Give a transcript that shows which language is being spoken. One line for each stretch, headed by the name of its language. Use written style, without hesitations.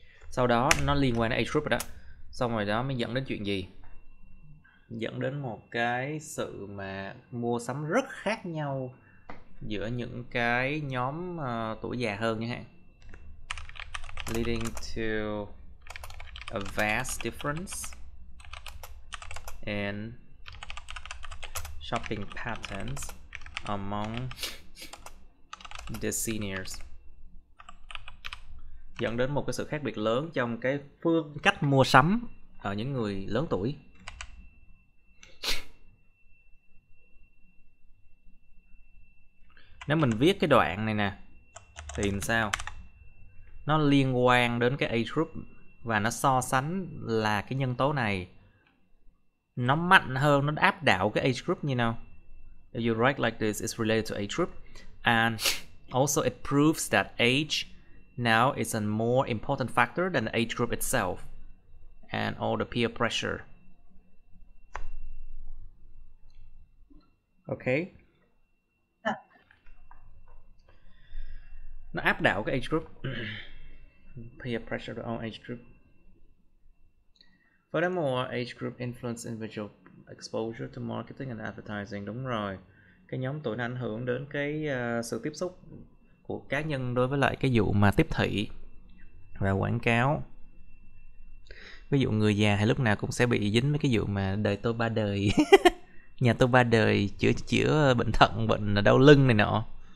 Vietnamese: Sau đó nó liên quan đến age group rồi đó. Xong rồi đó mới dẫn đến chuyện gì? Dẫn đến một cái sự mà mua sắm rất khác nhau giữa những cái nhóm tuổi già hơn nha.
English: Leading to a vast difference and shopping patterns among the seniors.
Vietnamese: dẫn đến một cái sự khác biệt lớn trong cái phương cách mua sắm ở những người lớn tuổi. Nếu mình viết cái đoạn này nè thì sao? Nó liên quan đến cái age group và nó so sánh là cái nhân tố này nó mạnh hơn, nó áp đảo cái age group như nào?
English: If you write like this, it's related to age group. And also it proves that age now is a more important factor than the age group itself and all the peer pressure. Okay.
Vietnamese: Nó áp đảo cái age group.
English: Peer pressure on age group. Furthermore, age group influence individual exposure to marketing and advertising.
Vietnamese: Đúng rồi. Cái nhóm tuổi nó ảnh hưởng đến cái sự tiếp xúc của cá nhân đối với lại cái vụ mà tiếp thị và quảng cáo. Ví dụ người già hay lúc nào cũng sẽ bị dính với cái vụ mà đời tôi ba đời. Nhà tôi ba đời chữa bệnh thận, bệnh đau lưng này nọ.